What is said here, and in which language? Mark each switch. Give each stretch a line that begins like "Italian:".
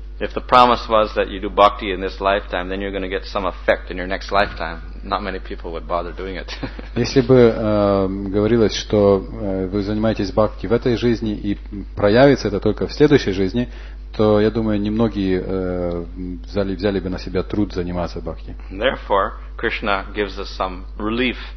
English: If the promise was that you do bhakti in this lifetime, then you're going to get some effect in your next lifetime. not many people would bother doing it.
Russian: Если бы говорилось, что вы занимаетесь бхакти в этой жизни и проявится это только в следующей жизни, то я думаю, немногие взяли бы на себя труд заниматься бхакти.
English: Therefore, Krishna gives us some relief.